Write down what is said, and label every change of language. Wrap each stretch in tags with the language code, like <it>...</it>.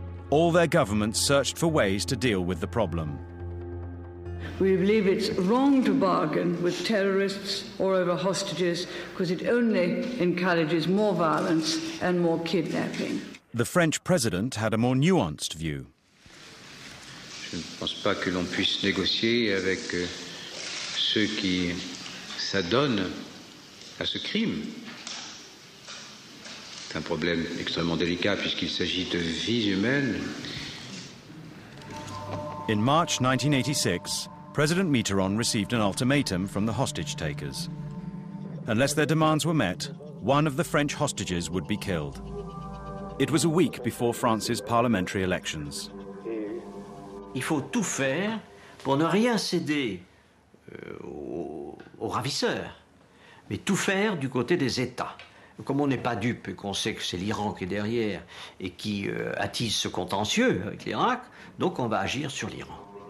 <en>All their governments searched for ways to deal with the problem. We believe it's wrong to bargain with terrorists or over hostages because it only encourages more violence and more kidnapping. The French president had a more nuanced view.</en> <fr>Je ne pense pas que l'on puisse négocier avec ceux qui ça donne à ce crime. C'est un problème extrêmement délicat puisqu'il s'agit de vies humaines.</fr> <en>In March 1986, President Mitterrand received an ultimatum from the hostage takers. Unless their demands were met, one of the French hostages would be killed. It was a week before France's parliamentary elections.</en> <fr>Il faut tout faire pour ne rien céder aux ravisseurs, mais tout faire du côté des États. Comme on n'est pas dupe et qu'on sait que c'est l'Iran qui est derrière et qui attise ce contentieux avec l'Irak, donc on va agir sur l'Iran.</fr>